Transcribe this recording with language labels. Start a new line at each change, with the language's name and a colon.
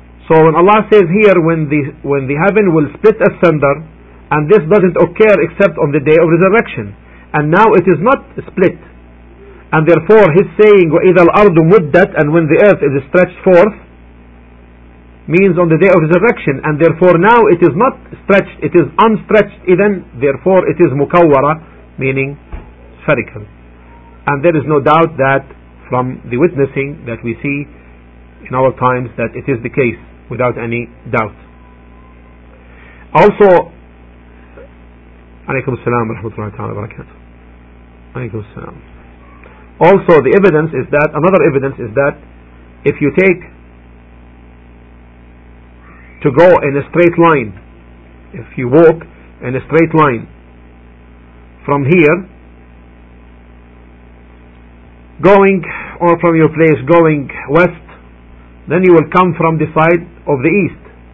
English: So when Allah says here, when the heaven will split asunder, and this doesn't occur except on the day of resurrection, and now it is not split, and therefore his saying
Arabic: وَإِذَا الْأَرْضُ مُدَّتْ,
English: and when the earth is stretched forth, means on the day of resurrection, and therefore now it is not stretched, it is unstretched, even therefore it is مُكَوَّرَة, meaning spherical. And there is no doubt that from the witnessing that we see in our times that it is the case without any doubt. Also,
Arabic: عليكم السلام ورحمة الله تعالى وبركاته, عليكم السلام.
English: Also, the evidence is that, another evidence is that, if you take to go in a straight line, if you walk in a straight line from here, going, or from your place going west, then you will come from the side of the east.